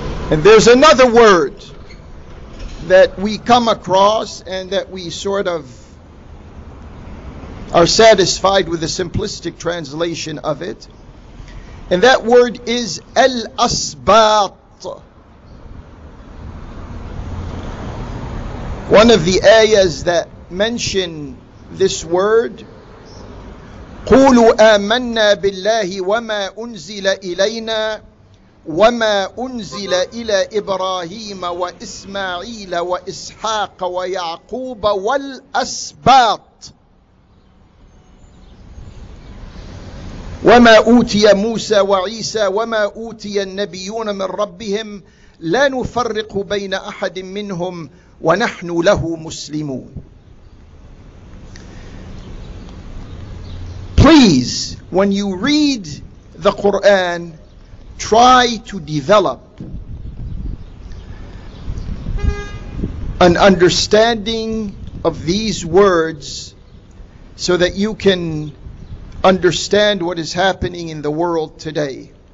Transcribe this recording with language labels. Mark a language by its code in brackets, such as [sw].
[en] And there's another word that we come across and that we sort of are satisfied with the simplistic translation of it. And that word is Al-Asbat. One of the ayahs that mention this word, [ar] قُولُوا آمَنَّا بِاللَّهِ وَمَا أُنزِلَ إِلَيْنَا وَمَا أُنزِلَ إِلَىٰ إِبْرَاهِيمَ وَإِسْمَعِيلَ وَإِسْحَاقَ وَيَعْقُوبَ وَالْأَسْبَاطِ وَمَا أُوْتِيَ مُوسَى وَعِيسَى وَمَا أُوْتِيَ النَّبِيُّونَ مِنْ رَبِّهِمْ لَا نُفَرِّقُ بَيْنَ أَحَدٍ مِّنْهُمْ وَنَحْنُ لَهُ مُسْلِمُونَ. [en] Please, when you read the Quran, try to develop an understanding of these words so that you can understand what is happening in the world today.